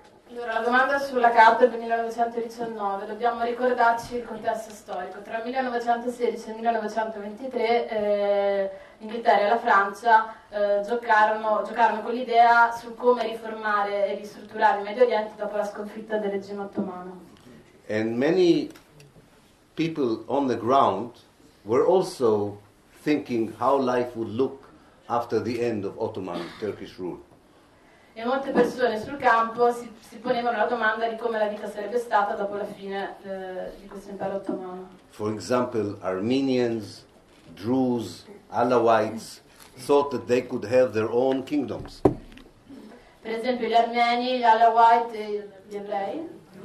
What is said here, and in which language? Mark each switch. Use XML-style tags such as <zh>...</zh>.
<it>Allora, la domanda sulla carta del 1919, dobbiamo ricordarci il contesto storico. Tra il 1916 e il 1923 l'Inghilterra e la Francia giocarono con l'idea su come riformare e ristrutturare il Medio Oriente dopo la sconfitta del regime ottomano.</it> <en>And many people on the ground were also thinking how life would look after the end of Ottoman Turkish rule.</en> <it>E molte persone sul campo si ponevano la domanda di come la vita sarebbe stata dopo la fine di questo impero ottomano.</it> <en>For example, Armenians, Druze, Alawites thought that they could have their own kingdoms.</en> <it>Per esempio, gli armeni, gli Alawite e gli ebrei.</it>